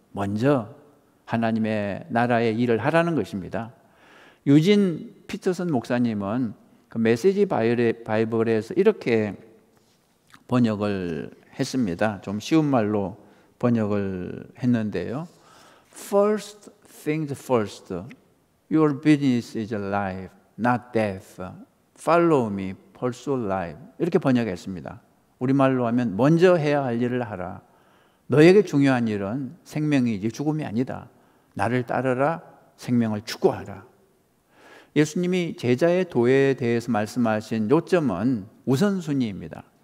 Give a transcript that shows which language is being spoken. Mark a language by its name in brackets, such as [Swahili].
[Korean] 먼저 하나님의 나라의 일을 하라는 것입니다. 유진 피터슨 목사님은 그 메시지 바이블에서 이렇게 번역을 했습니다. 좀 쉬운 말로 번역을 했는데요. [English] First things first, your business is life, not death. Follow me, pursue life. [Korean] 이렇게 번역했습니다. 우리말로 하면 먼저 해야 할 일을 하라. 너에게 중요한 일은 생명이지 죽음이 아니다. 나를 따르라, 생명을 추구하라. 예수님이 제자의 도에 대해서 말씀하신 요점은 우선순위입니다.